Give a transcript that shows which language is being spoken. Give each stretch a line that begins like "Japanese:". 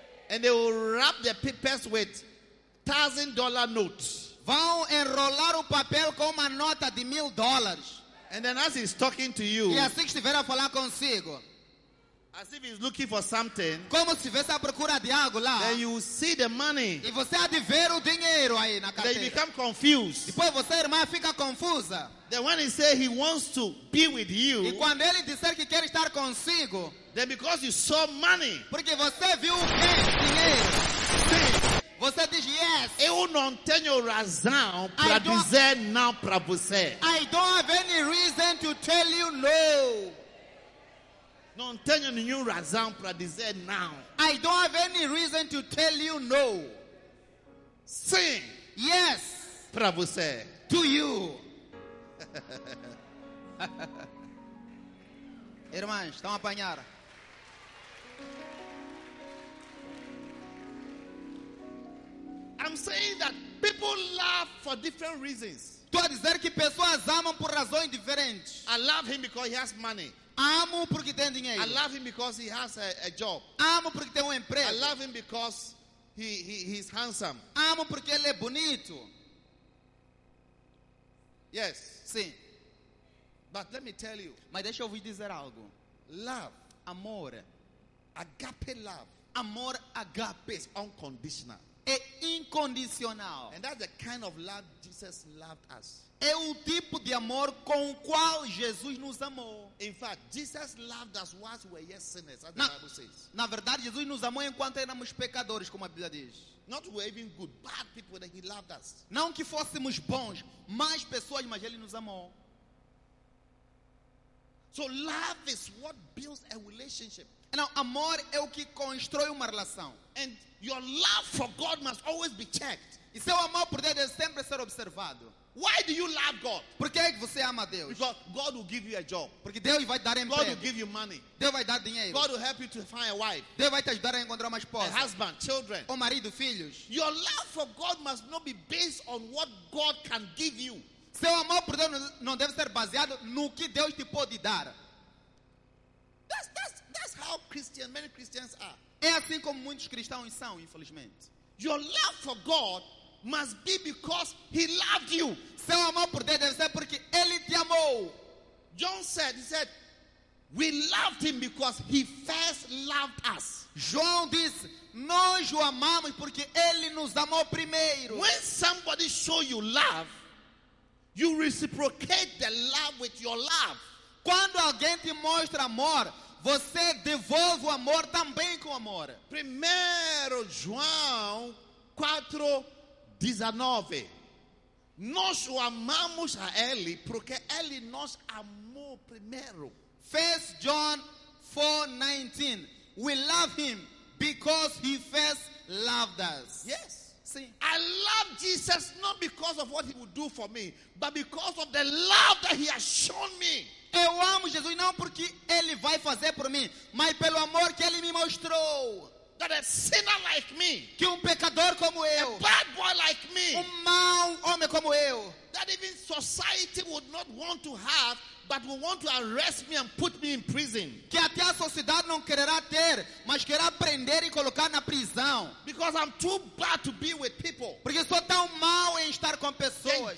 English: And they will wrap the papers with $1,000 notes.
Portuguese: Vão enrolar o papel com uma nota de $1,000.
English: And then as he's talking to you,
Portuguese: e assim que estiver a falar consigo,
English: as if he's looking for something,
Portuguese: como se estivesse à procura de algo lá,
English: then you see the money,
Portuguese: e você há de ver o dinheiro aí na carteira,
English: then you become confused.
Portuguese: Depois você, irmã, fica confusa.
English: Then when he says he wants to be with you,
Portuguese: e quando ele disser que quer estar consigo,
English: then because you saw money,
Portuguese: porque você viu o dinheiro. Você diz yes. Eu não tenho razão para dizer não para você.
English: I don't have any reason to tell you no.
Portuguese: Não tenho nenhuma razão para dizer não.
English: I don't have any reason to tell you no.
Portuguese: Sim.
English: Yes.
Portuguese: Para você.
English: To you.
Portuguese: Irmãs, estão a apanhar.
English: I'm saying that people love for different reasons.
Portuguese: Tu a dizer que pessoas amam por razões diferentes.
English: I love him because he has money.
Portuguese: Amo porque tem dinheiro.
English: I love him because he has a job.
Portuguese: Amo porque tem emprego.
English: I love him because he's handsome.
Portuguese: Amo porque ele é bonito.
English: Yes.
Portuguese: Sim.
English: But let me tell you.
Portuguese: Mas deixa eu vos dizer algo.
English: Love.
Portuguese: Amor.
English: Agape love.
Portuguese: Amor agape
English: is unconditional.
Portuguese: É incondicional. incondicional.
English: And that's the kind of love Jesus loved us.
Portuguese: É o tipo de amor com o qual Jesus nos amou.
English: In fact, Jesus loved us whilst we were yet sinners, as the Bible says.
Portuguese: Na verdade, Jesus nos amou enquanto éramos pecadores, como a Bíblia diz.
English: Not we were even good, bad people, that he loved us.
Portuguese: Não que fôssemos bons, más pessoas, mas ele nos amou.
English: So love is what builds a relationship.
Portuguese: Now, amor é o que constrói uma relação.
English: And your love for God must always be checked.
Portuguese: E seu amor por Deus deve sempre ser observado.
English: Why do you love God?
Portuguese: Por que é que você ama Deus?
English: Because God will give you a job.
Portuguese: Porque Deus vai dar emprego.
English: God will give you money.
Portuguese: Deus vai dar dinheiro.
English: God will help you to find a wife.
Portuguese: Deus vai te ajudar a encontrar uma esposa.
English: A husband, children.
Portuguese: O marido, filhos.
English: Your love for God must not be based on what God can give you.
Portuguese: Seu amor por Deus não deve ser baseado no que Deus te pode dar.
English: That's how Christian, many Christians are.
Portuguese: É assim como muitos cristãos são, infelizmente.
English: Your love for God must be because he loved you.
Portuguese: Seu amor por Deus deve ser porque ele te amou.
English: John said, he said, we loved him because he first loved us.
Portuguese: João disse, nós o amamos porque ele nos amou primeiro.
English: When somebody show you love, you reciprocate the love with your love.
Portuguese: Quando alguém te mostra amor, você devolve o amor também com amor. 1 João 4, 19. Nós o amamos a ele, porque ele nos amou primeiro.
English: 1 John 4, 19. We love him because he first loved us. Yes. See, I love Jesus not because of what he would do for me, but because of the love that he has shown me.
Portuguese: Eu amo Jesus não porque ele vai fazer por mim, mas pelo amor que ele me mostrou.
English: That a sinner like me,
Portuguese: que pecador como eu,
English: a bad boy like me,
Portuguese: mau homem como eu,
English: that even society would not want to have, but will want to arrest me and put me in prison.
Portuguese: Que até a sociedade não quererá ter, mas quererá prender e colocar na prisão.
English: Because I'm too bad to be with people.
Portuguese: Porque sou tão mau em estar com pessoas.